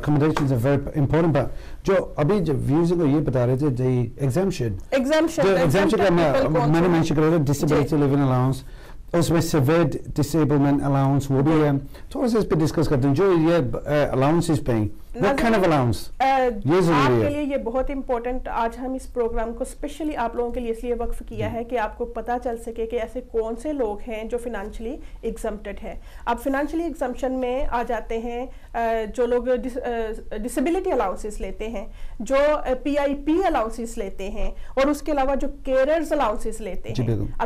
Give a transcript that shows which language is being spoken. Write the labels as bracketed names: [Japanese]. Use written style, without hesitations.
[English] Accommodations are very important, but [Hindi] जो अभी जो views को ये बता रहे थे, the exemption. Exemption. The exemption का मैंने mention करा था, disability living allowance. उसमें severe disablement allowance वो भी है। तो उसे इस पे discuss करते हैं। जो ये allowances पे हैं, [English] what kind of allowance? [Hindi] आपके लिए ये बहुत important। आज हम इस program को specially आप लोगों के लिए इसलिए वक्फ किया है कि आपको पता चल सके कि ऐसे कौन से लोग हैं जो financially exempted हैं। अब financially exemption में आ जाते हैं जो लोग disability allowances लेते हैं, जो PIP allowances लेते हैं, और उसके अलावा जो carers allowances लेते हैं।